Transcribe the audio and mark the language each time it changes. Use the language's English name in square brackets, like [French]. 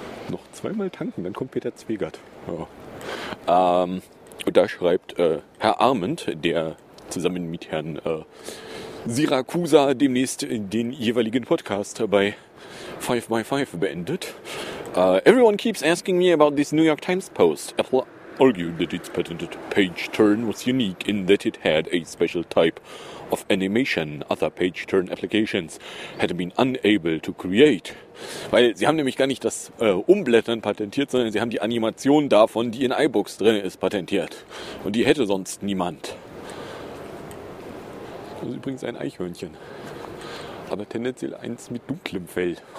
[German] Noch zweimal tanken, dann kommt Peter Zwegert. Ja. Und da schreibt Herr Arment, der zusammen mit Herrn Siracusa demnächst den jeweiligen Podcast bei 5x5 beendet. [English] Everyone keeps asking me about this New York Times post. Apple argued that its patented page turn was unique in that it had a special type of animation other page turn applications had been unable to create. [German] Weil sie haben nämlich gar nicht das Umblättern patentiert, sondern sie haben die Animation davon, die in iBooks drin ist, patentiert. Und die hätte sonst niemand. Das ist übrigens ein Eichhörnchen. Aber tendenziell eins mit dunklem Fell.